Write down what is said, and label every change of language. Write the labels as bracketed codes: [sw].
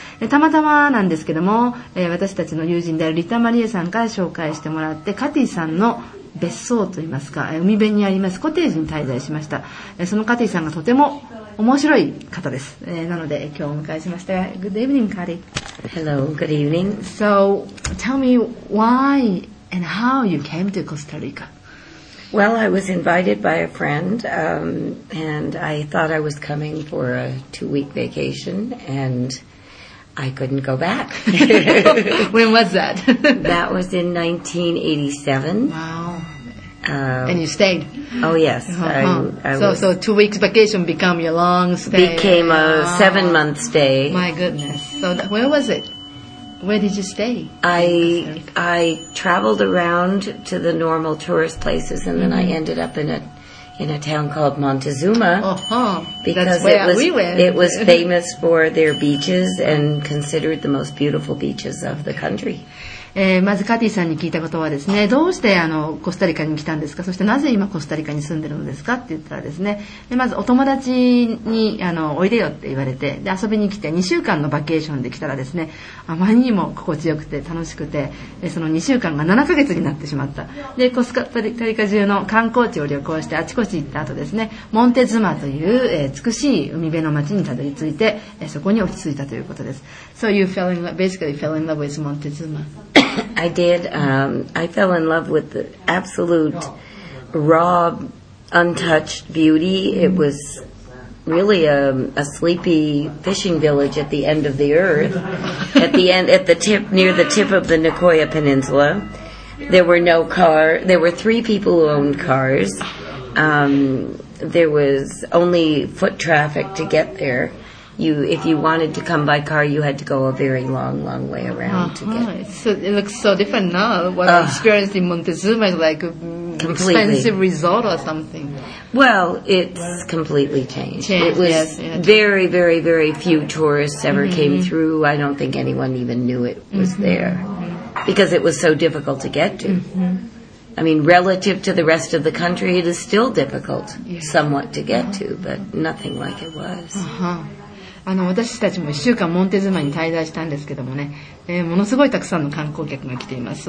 [ja] でたまたまなんですけども、私たちの友人であるリタ・マリエさんから紹介してもらってカティさんの別荘といいますか海辺にありますコテージに滞在しました。そのカティさんがとても面白い方です。なので今日お迎えしました。 [en] Good evening, カティ。 Hello, good evening. So, tell me whyAnd how you came to Costa Rica? Well, I was invited by a friend, and I thought I was coming for a two-week vacation, and I couldn't go back. When was that? That was in 1987. Wow. And you stayed? Oh, yes. Uh-huh. So 2 weeks vacation became your long stay? Became a 7-month stay. My goodness. So where was it? Where did you stay? I traveled around to the normal tourist places, and then I ended up in a town called Montezuma. Because that's where we went. It was famous for their beaches and considered the most beautiful beaches of the country. [ja] まずカティさんに聞いたことはですね、どうしてコスタリカに来たんですか、そしてなぜ今コスタリカに住んでるんですかって言ったらですね、でまずお友達においでよって言われて、で遊びに来て2週間のバケーションで来たらですね、あまりにも心地よくて楽しくて、その2週間が7ヶ月になってしまった。でコスタリカ中の観光地を旅行してあちこち行った後ですね、モンテズマという美しい海辺の町にたどり着いて、そこに落ち着いたということです。 [en] So you fell in love, basically fell in love with Montezuma? I did. I fell in love with the absolute raw, untouched beauty. It was really a sleepy fishing village at the end of the earth. Near the tip of the Nicoya Peninsula. There were no car. There were three people who owned cars. There was only foot traffic to get there. If you wanted to come by car, you had to go a very long, long way around to get it. So it looks so different now. What I experienced in Montezuma is like an expensive resort or something. Well, it's completely changed. It was very, very, very few tourists ever came through. I don't think anyone even knew it was there because it was so difficult to get to. I mean, relative to the rest of the country, it is still difficult somewhat to get to, but nothing like it was. Uh-huh. [ja] 私たちも1週間モンテズマに滞在したんですけどもね、ものすごいたくさんの観光客が来ています。